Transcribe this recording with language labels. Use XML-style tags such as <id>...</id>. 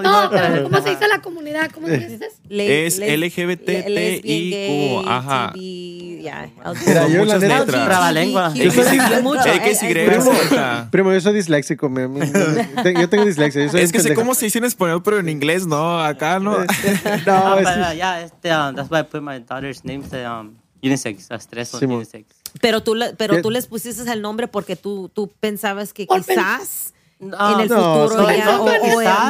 <es>digo. ¿Cómo se dice la comunidad? ¿Cómo dices? Es LGBTIQ. Ajá. Mira, yo la neta. Primo, yo soy disléxico. Yo tengo dislexia. Es que sé cómo se dice en español, pero en inglés no. Acá no. No, es.</es> <en>That's why I put my daughter's name to unisex. That's</en> <es>tres o</es> <en>unisex.</en> <es>Pero tú les pusiste el nombre porque tú pensabas que quizás en el futuro ya</es>